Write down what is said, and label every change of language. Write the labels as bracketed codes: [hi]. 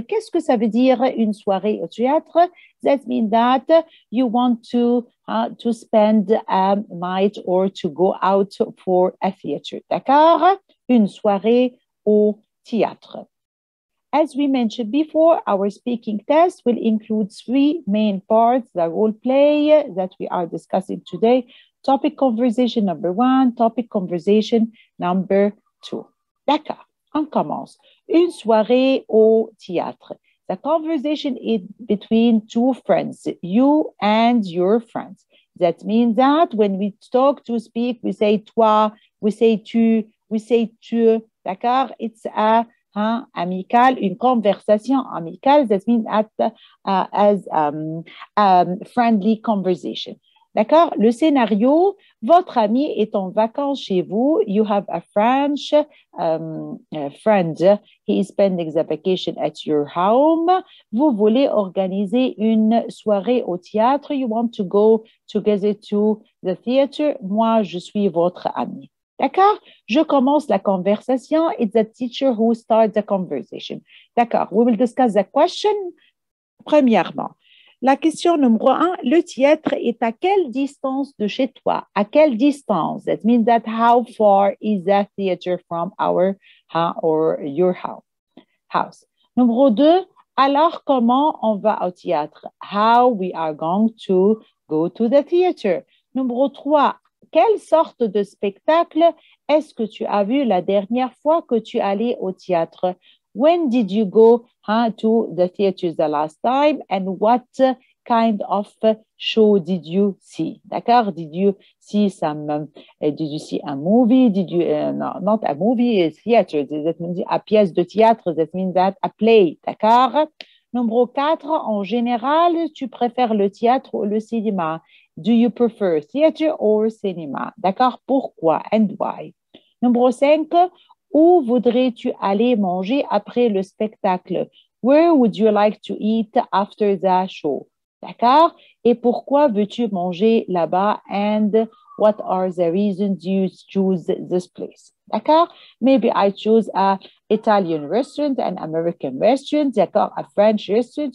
[fr] Qu'est-ce que ça veut dire une soirée au théâtre? [en] That means that you want to spend a night or to go out for a theater. D'accord? [fr] Une soirée au théâtre. [en] As we mentioned before, our speaking test will include three main parts, the role play that we are discussing today. Topic conversation number one, topic conversation number two. [fr] D'accord, on commence. Une soirée au théâtre. [en] The conversation is between two friends, you and your friends. That means that when we talk to speak, we say toi, we say tu, we say tu. [fr] D'accord, [en] it's a [fr] amical, une conversation amicale. [en] That means at, as friendly conversation. D'accord? [fr] Le scénario, votre ami est en vacances chez vous. [en] You have a French friend. He is spending the vacation at your home. [fr] Vous voulez organiser une soirée au théâtre. [en] You want to go together to the theater. [fr] Moi, je suis votre ami. D'accord? Je commence la conversation. [en] It's the teacher who starts the conversation. D'accord? We will discuss the question premièrement. [fr] La question numéro un, le théâtre est à quelle distance de chez toi? À quelle distance? [en] That means that how far is the theater from our or your house? [fr] Numéro deux, alors comment on va au théâtre? [en] How we are going to go to the theater? [fr] Numéro trois, quelle sorte de spectacle est-ce que tu as vu la dernière fois que tu allais au théâtre? [en] When did you go to the theater the last time and what kind of show did you see? D'accord? Did you see some, did you see a movie? Did you, no, not a movie, a theater, that means a pièce de théâtre, that means that a play, d'accord? [fr] Numéro 4, en général, tu préfères le théâtre ou le cinéma? [en] Do you prefer theater or cinema? D'accord? Pourquoi and why? [fr] Numéro 5, où voudrais-tu aller manger après le spectacle? [en] Where would you like to eat after the show? D'accord? [fr] Et pourquoi veux-tu manger là-bas? [en] And what are the reasons you choose this place? D'accord? Maybe I choose an Italian restaurant, an American restaurant, d'accord? A French restaurant.